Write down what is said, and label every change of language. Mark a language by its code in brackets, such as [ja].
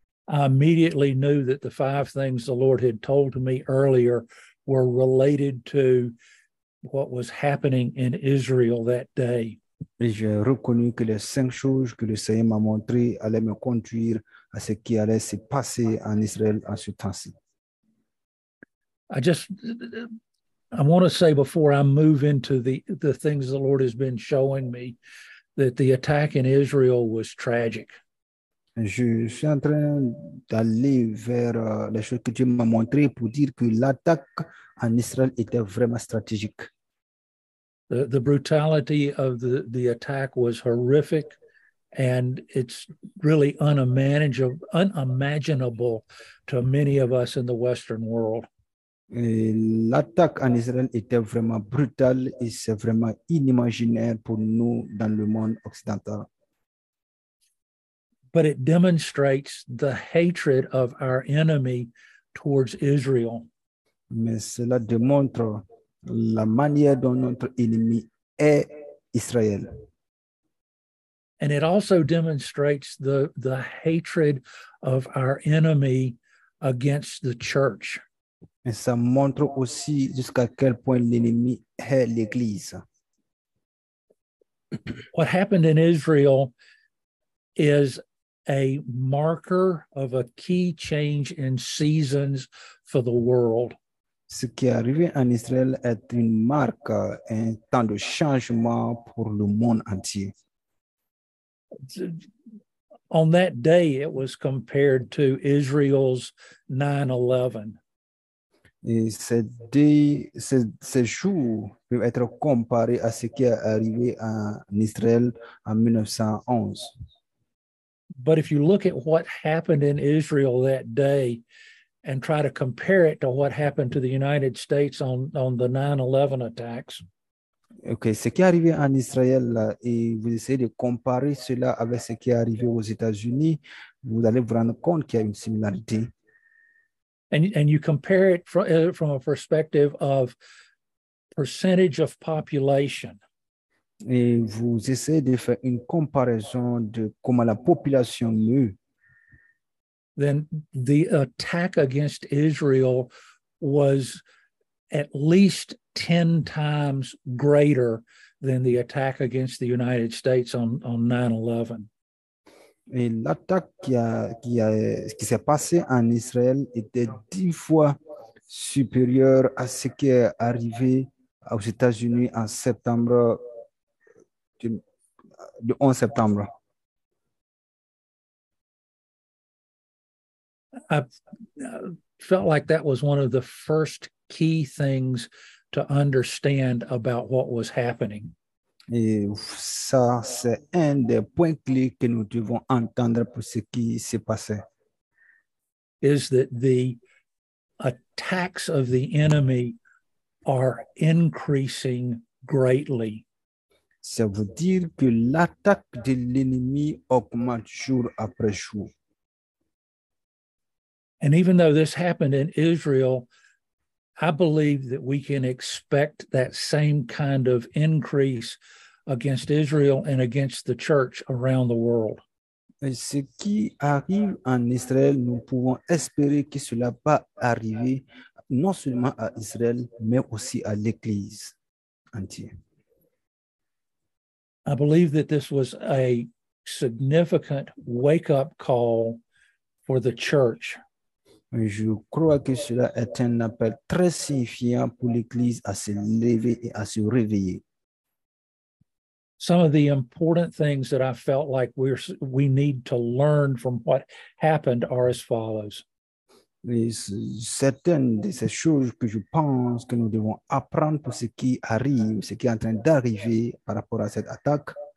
[en] I immediately knew that the 5 things the Lord had told me earlier were related to what was happening in Israel that day. [fr] Et j'ai reconnu que les 5 choses que le Seigneur m'a montrées allaient me conduire à ce qui allait se passer en Israël en ce temps-ci. [en] I want to say before I move into the things the Lord has been showing me that the attack in Israel was tragic. [fr] Je suis en train d'aller vers les choses que Dieu m'a montrées pour dire que l'attaque en Israël était vraiment stratégique. [en] The brutality of the attack was horrific, and it's really unimaginable to many of us in the Western world. [fr] Et l'attaque en Israël était vraiment brutale et c'est vraiment inimaginable pour nous dans le monde occidental. [en] But it demonstrates the hatred of our enemy towards Israel. [fr] Mais cela démontre la manière dont notre ennemi est Israël. [en] And it also demonstrates the hatred of our enemy against the church. [fr] Et ça montre aussi jusqu'à quel point l'ennemi est l'Église. [en] What happened in Israel is a marker of a key change in seasons for the world. [fr] Ce qui est arrivé en Israël est une marque, un temps de changement pour le monde entier. [en] On that day, it was compared to Israel's 9/11. [fr] Et ces jours peuvent être comparés à ce qui est arrivé en Israël en 1911. [en] But if you look at what happened in Israel that day and try to compare it to what happened to the United States on the 9/11 attacks. [fr] OK, ce qui est arrivé en Israël et vous essayez de comparer cela avec ce qui est arrivé aux États-Unis, vous allez vous rendre compte qu'il y a une similarité. [en] And you compare it from a perspective of percentage of population. [fr] Et vous essayez de faire une comparaison de comment la population meurt. [en] Then the attack against Israel was at least 10 times greater than the attack against the United States on 9/11. [fr] Et l'attaque qui s'est passée en Israël était 10 fois supérieure à ce qui est arrivé aux États-Unis en septembre, du 11 septembre. [en] I felt like that was one of the first key things to understand about what was happening. [fr] Et ça, c'est un des points clés que nous devons entendre pour ce qui s'est passé. [en] Is that the attacks of the enemy are increasing greatly. [fr] Ça veut dire que l'attaque de l'ennemi augmente jour après jour. [en] And even though this happened in Israel, I believe that we can expect that same kind of increase against Israel and against the church around the world. [fr] Et ce qui arrive en Israël, nous pouvons espérer que cela va arriver non seulement à Israël, mais aussi à l'Église entière. [en] I believe that this was a significant wake-up call for the church. [fr] Je crois que cela est un appel très signifiant pour l'Église à se lever et à se réveiller. [en] Some of the important things that I felt like we need to learn from what happened are as follows. [fr] Et certaines de ces choses que je pense que nous devons apprendre pour ce qui arrive, ce qui est en train d'arriver par rapport à cette attaque.